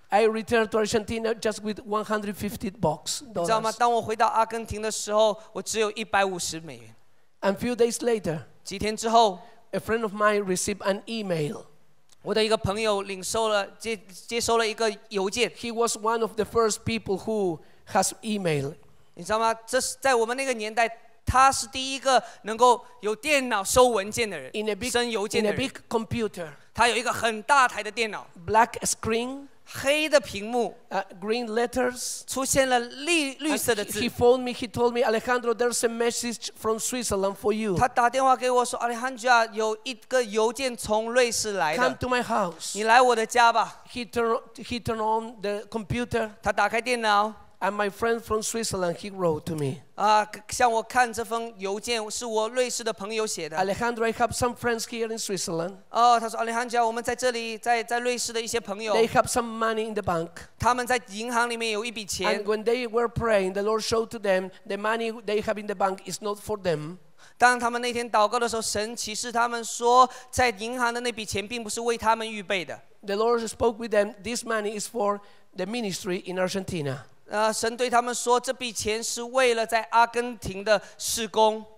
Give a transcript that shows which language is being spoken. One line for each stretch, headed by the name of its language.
English: I returned to Argentina just with $150.
Chinese: 你知道吗？当我回到阿根廷的时候，我只有$150。
English: And few days later,
Chinese: 几天之后，
English: a friend of mine received an email.
Chinese: 我的一个朋友领受了 接收了一个邮件。
English: He was one of the first people who has email.
Chinese: 你知道吗？这是在我们那个年代，他是第一个能够有电脑收文件的人，
English: big,
Chinese: 生邮件的人。
English: In a big computer.
Chinese: 他有一个很大台的电脑。
English: Black screen.
Chinese: 黑的屏幕。
English: Green letters.
Chinese: 出现了绿色的字。
English: He phoned me. He told me, Alejandro, there's a message from Switzerland for you.
Chinese: 他打电话给我说 ，Alejandro 有一个邮件从瑞士来的。
English: Come to my house.
Chinese: 你来我的家吧。
English: He turned on the computer.
Chinese: 他打开电脑。
English: And my friend from Switzerland, he wrote to me.
Chinese: 向我看这封邮件是我瑞士的朋友写的。
English: Alejandro, I have some friends here in Switzerland.
Chinese: 哦，他说 ，Alejandro, 我们在这里，在瑞士的一些朋友。
English: They have some money in the bank.
Chinese: 他们在银行里面有一笔钱。
English: And when they were praying, the Lord showed to them the money they have in the bank is not for them.
Chinese: 当他们那天祷告的时候，神启示他们说，在银行的那笔钱并不是为他们预备的。
English: The Lord spoke with them. This money is for the ministry in Argentina.
Chinese: 神对他们说，这笔钱是为了在阿根廷的事工。